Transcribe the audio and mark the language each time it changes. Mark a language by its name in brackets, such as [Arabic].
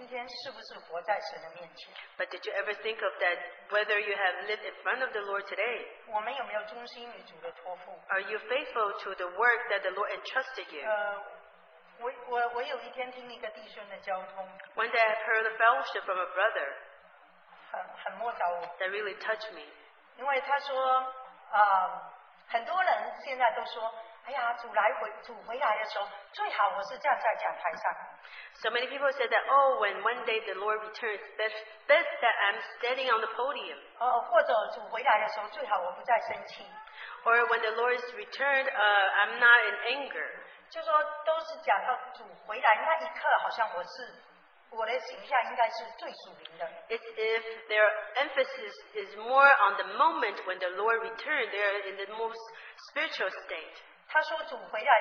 [Chinese] 但是有没有想到我们今天是不是活在神的面前? [English] But did you ever think of that, whether you have lived in front of the Lord today? [Chinese] 我们有没有忠心于主的托付? [English] Are you faithful to the work that the Lord entrusted you? [Chinese] 我有一天听一个弟兄的交通, [English] one day I heard a fellowship from a brother [Chinese] 很陌生, [English] that really touched me. [Chinese] 因为他说, 很多人现在都说, 哎呀, 主回来的时候, [English] so many people said that, oh, when one day the Lord returns, best that I'm standing on the podium. [Chinese] 或者主回来的时候, [English] or when the Lord is returned, I'm not in anger. [Chinese] 就说都是讲到主回来那一刻好像我是, [English] it's if their emphasis is more on the moment when the Lord returned, they are in the most spiritual state.